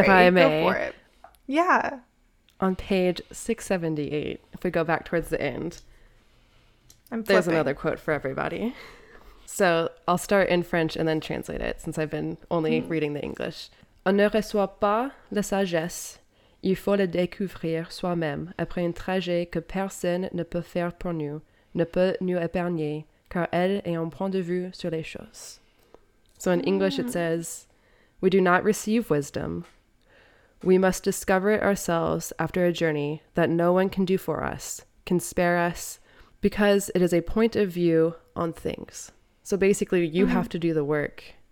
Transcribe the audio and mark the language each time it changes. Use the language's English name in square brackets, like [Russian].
[English] If I may. Go for it. Yeah. On page 678, if we go back towards the end. I'm flipping. There's another quote for everybody. So I'll start in French and then translate it since I've been only reading the English. [French] On ne reçoit pas la sagesse. Il faut la découvrir soi-même après un trajet que personne ne peut faire pour nous, ne peut nous épargner, car elle est un point de vue sur les choses. [English] So in English it says, we do not receive wisdom. We must discover it ourselves after a journey that no one can do for us, can spare us, because it is a point of view on things. So basically, you mm-hmm. have to do the work.